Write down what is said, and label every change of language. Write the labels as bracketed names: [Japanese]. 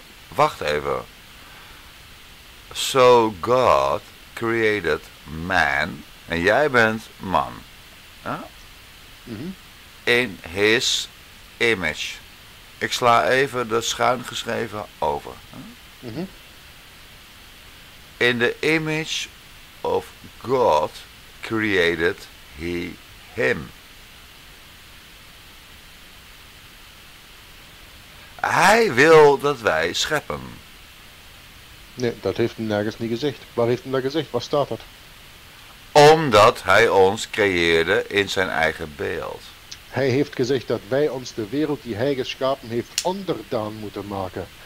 [Dutch] Wacht even. [English] So God created man [Dutch] en jij bent man. Huh? Mm-hmm. [English] In his image. [Dutch] Ik sla even de schuin geschreven over. Mm-hmm. [English] In the image of God created he, him. [Dutch] Hij wil dat wij scheppen. Nee, dat heeft hem nergens niet gezegd. Waar heeft hem dat gezegd? Waar staat dat? Omdat hij ons creëerde in zijn eigen beeld. Hij heeft gezegd dat wij ons de wereld die hij geschapen heeft onderdaan moeten maken.